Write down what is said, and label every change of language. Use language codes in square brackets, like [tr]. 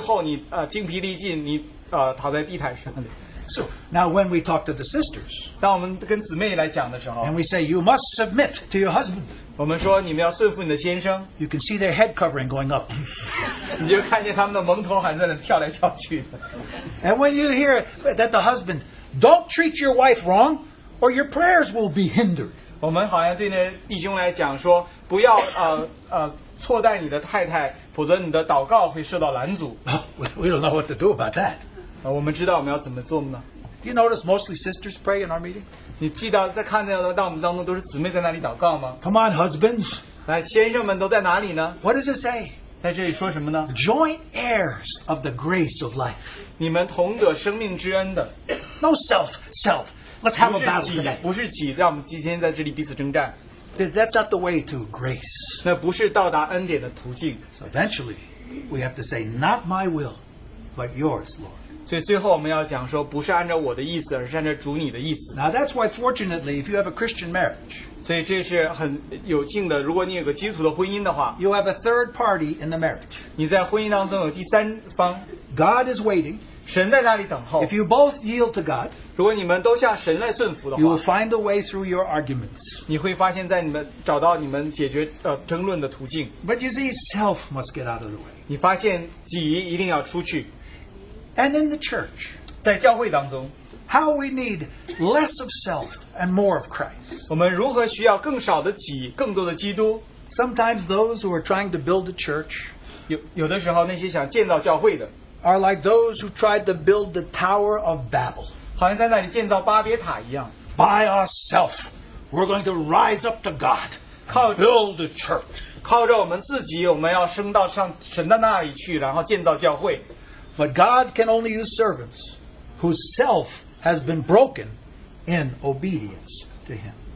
[zh] 就是你和,对基督徒来说,你结婚七年就是你和那个己,然后你们两个人在那里,好像在那里彼此相摩擦,然后到最后你精疲力尽,你躺在地毯上。 [en] So now when we talk to the sisters, and we say you must submit to your husband, you can see their head covering going up. And when you hear that the husband, don't treat your wife wrong or your prayers will be hindered. [zh] 我们好像对那弟兄来讲说,不要错待你的太太, 否则你的祷告会受到拦阻。 [en] We don't know what to do about that. [zh] 我们知道我们要怎么做呢? [en] Do you notice mostly sisters pray in our meeting? [zh] 你记得在看到的当中都是姊妹在那里祷告吗? [en] Come on, husbands. [zh] 来,先生们都在哪里呢? [en] What does it say? [zh] 在这里说什么呢? [en] Joint heirs of the grace of life. [zh] 你们同得生命之恩的。 [en] No self. Let's have a battle today. [zh] 不是己,让我们今天在这里彼此征战。 [en] That's not the way to grace. [zh] 那不是到达恩典的途径。 [en] So eventually, we have to say, not my will, but yours, Lord. [zh] 所以最后我们要讲说不是按照我的意思而是按照主你的意思。 [en] Now that's why fortunately if you have a Christian marriage, [zh] 所以这是很有幸的,如果你有个基督徒的婚姻的话, [en] you have a third party in the marriage. [zh] 你在婚姻当中有第三方, [en] God is waiting. [zh] 神在那里等候。 [en] If you both yield to God, [zh] 如果你们都向神来顺服的话, [en] you will find a way through your arguments. [zh] 你会发现在你们找到你们解决争论的途径。 [en] But you see, self must get out of the way. [zh] 你发现己一定要出去。 [en] And in the church, [zh] 在教会当中, [en] How we need less of self and more of Christ. [zh] 我们如何需要更少的己, 更多的基督? [en] Sometimes those who are trying to build a church [zh] 有的时候那些想建造教会的, [en] are like those who tried to build the Tower of Babel. [zh] 好像在那里建造巴别塔一样, [en] by ourselves, we're going to rise up to God, 靠, build the church. [zh] 靠着我们自己, 我们要升到上, 神的那里去, 然后建造教会。 [en] But God can only use servants whose self has been broken in obedience to Him.